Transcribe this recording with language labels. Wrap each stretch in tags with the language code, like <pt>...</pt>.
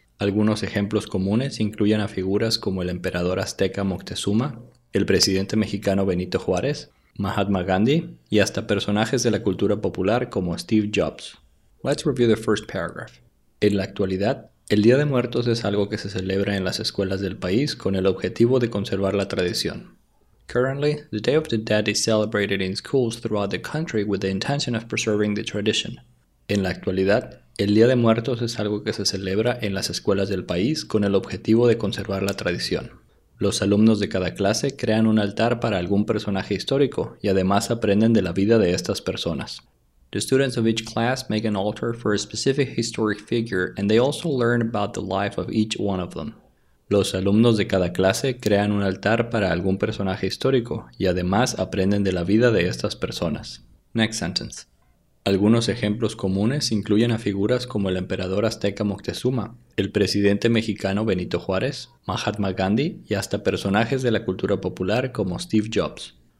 <es>Algunos ejemplos comunes incluyen a figuras como el emperador azteca Moctezuma, el presidente mexicano Benito Juárez, Mahatma Gandhi y hasta personajes de la cultura popular como Steve Jobs.</es> <en>Let's review the first paragraph.</en> <es>En la actualidad, el Día de Muertos es algo que se celebra en las escuelas del país con el objetivo de conservar la tradición.</es> <en>Currently, the Day of the Dead is celebrated in schools throughout the country with the intention of preserving the tradition.</en> <es>En la actualidad, el Día de Muertos es algo que se celebra en las escuelas del país con el objetivo de conservar la tradición. Los alumnos de cada clase crean un altar para algún personaje histórico y además aprenden de la vida de estas personas.</es> <en>The students of each class make an altar for a specific historic figure and they also learn about the life of each one of them.</en> <es>Los alumnos de cada clase crean un altar para algún personaje histórico y además aprenden de la vida de estas personas.</es> <en>Next sentence.</en> <es>Algunos ejemplos comunes incluyen a figuras como el emperador azteca Moctezuma, el presidente mexicano Benito Juárez, Mahatma Gandhi y hasta personajes de la cultura popular como Steve Jobs.</es>